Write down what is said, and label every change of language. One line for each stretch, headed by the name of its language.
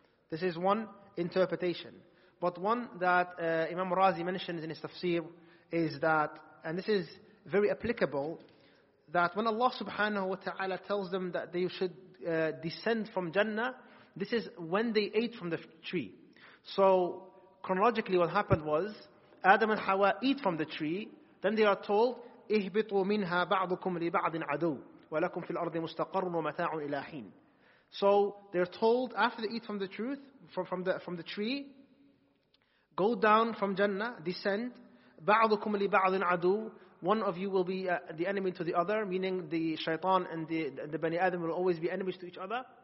English: This is one interpretation. But one that Imam Razi mentions in his tafsir is that, and this is very applicable, that when Allah subhanahu wa ta'ala tells them that they should descend from Jannah, this is when they ate from the tree. So chronologically what happened was Adam and Hawa eat from the tree, then they are told,
Arabic: اِهْبِطُوا مِنْهَا بَعْضُكُمْ لِبَعْضٍ عَدُوٌ وَلَكُمْ فِي الْأَرْضِ مُسْتَقَرٌ وَمَتَاعٌ إِلَى حِينٍ.
English: So they're told after they eat from the truth, from the tree, go down from Jannah, descend.
Arabic: بَعْضُكُمْ لِبَعْضٍ عَدُوٌ.
English: One of you will be the enemy to the other, meaning the shaitan and the Bani Adam will always be enemies to each other.